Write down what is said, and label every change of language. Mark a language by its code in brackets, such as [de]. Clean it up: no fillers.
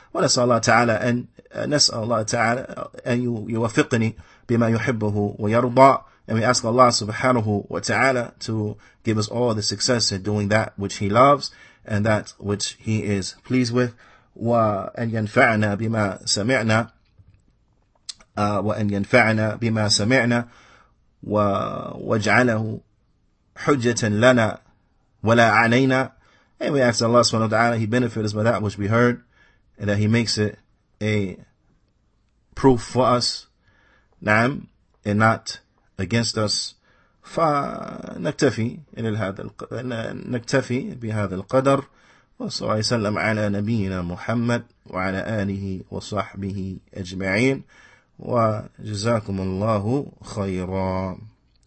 [ar] Wa nas'Allah ta'ala and yuwaffiqni bima yuhibbuhu wa yarda. [en] And we ask Allah subhanahu wa ta'ala to give us all the success in doing that which He loves and that which He is pleased with. [ar] Wa an yanfa'na bima sami'na. وأن ينفعنا بما سمعنا واجعله حجة لنا ولا علينا. [en] And we ask Allah subhanahu wa ta'ala, He benefit us by that which we heard, and that He makes it a proof for us, [ar] نعم, [en] and not against us. [ar] فنكتفي بهذا القدر وصلى الله وسلم على نبينا محمد وعلى آله وصحبه أجمعين. وجزاكم الله خيرا.